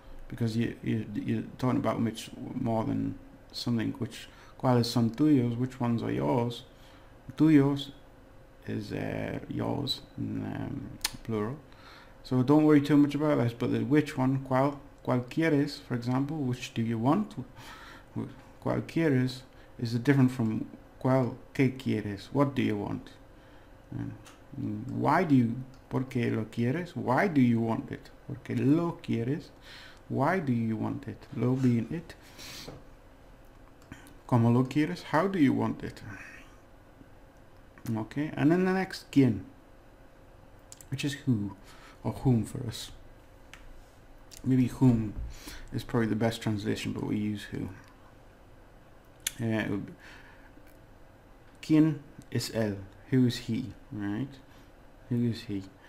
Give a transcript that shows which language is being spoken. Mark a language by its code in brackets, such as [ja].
[en] Because you're talking about much more than something. Which [es] cuáles son tuyos? [en] Which ones are yours? Tuyos is yours in plural. So don't worry too much about this. But the which one? [es] Cuál quieres? [en] For example, which do you want? [es] Cuál quieres [en] is different from [es] cuál qué quieres. [en] What do you want? Why do you? [es] ¿Por qué lo quieres? [en] Why do you want it? [es] ¿Por qué lo quieres? [en] Why do you want it? Lo being it. [es] ¿Cómo lo quieres? [en] How do you want it? Okay, and then the next, ¿quién? Which is who, or whom for us. Maybe whom is probably the best translation, but we use who. [es] ¿Quién es él? [en] Who is he, right? Who is he?